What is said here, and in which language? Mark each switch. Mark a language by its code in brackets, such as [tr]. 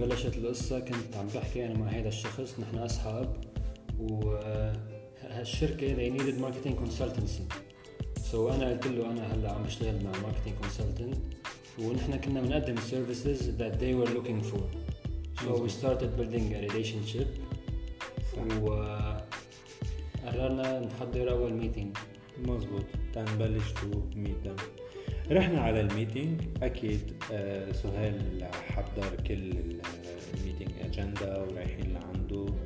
[ar] بلشت القصة كنت عم بحكي أنا مع هذا الشخص، نحن أصحاب، وهالشركة [en] they needed marketing consultancy. [ar] so أنا قلت له أنا هلا عم بشتغل مع marketing consultant ونحن كنا بنقدم [en] services that they were looking for. so we started building a relationship. [ar] صح. وقررنا نحضر أول meeting. مزبوط. تنبلش تو ميتهم. رحنا على الميتينج. اكيد سهيل حضر كل الميتينج اجندا ورايحين لعنده.